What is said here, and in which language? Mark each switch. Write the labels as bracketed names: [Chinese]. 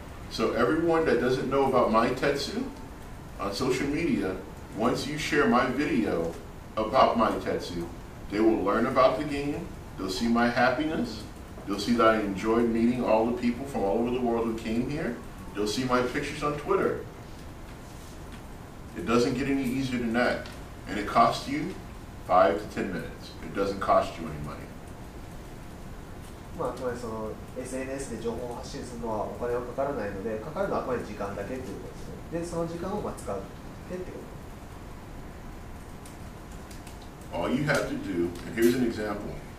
[English] So everyone that doesn't know about my tetsu on social media, once you share my video about my tetsu, they will learn about the game, they'll see my happiness, they'll see that I enjoyed meeting all the people from all over the world who came here, they'll see my pictures on Twitter. It doesn't get any easier than that, and it costs you 5 to 10 minutes. It doesn't cost you any money. [Japanese] まあ、つまりその SNS で情報を発信するのはお金はかからないので、かかるのはあくまで時間だけということですね。で、その時間をまあ使ってってこと。 [English] All you have to do, and here's an example.